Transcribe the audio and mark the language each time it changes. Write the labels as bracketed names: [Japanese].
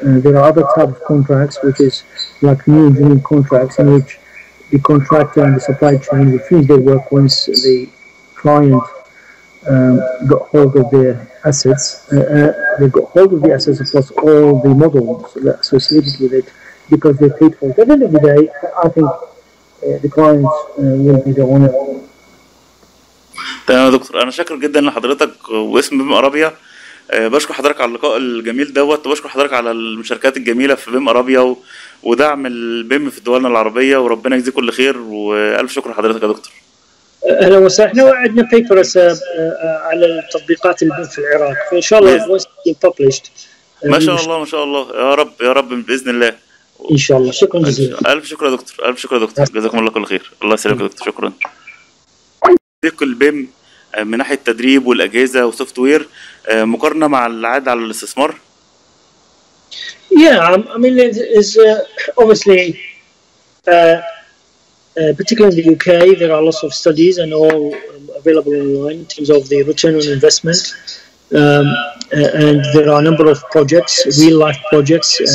[English] There are other types of contracts, which is like new engineering contracts, in which the contractor and the supply chain will finish their work once the client got hold of their assets. They got hold of the assets across all the models that associated with it, because they paid for it. At the end of the day, I think the client will be the owner. Thank you, Dr. I'm very grateful to you and BIM Arabia. [Arabic] بشكر حضرتك على اللقاء الجميل دوت وبشكر حضرتك على المشاركات الجميله في بيم ارابيا ودعم البيم في دولنا العربيه وربنا يجزيك كل خير والف شكر لحضرتك يا دكتور اهلا وسهلا احنا وعدنا بيبر على التطبيقات البيم في العراق فان شاء الله [English] will be published [Arabic] ما شاء الله ما شاء الله. يا رب يا رب بإذن الله إن شاء الله. شكرا جزيلا. ألف شكرا دكتور. ألف شكرا دكتور. جزاكم الله كل خير. الله يسلمك دكتور. شكرا. تطبيق البيم من ناحية التدريب والأجهزة وسوفت وير مقارنة مع العائد على الاستثمار؟ [English] Yeah, I mean, it's obviously, particularly in the UK, there are lots of studies and all available online in terms of the return on investment. And there are a number of projects, real life projects.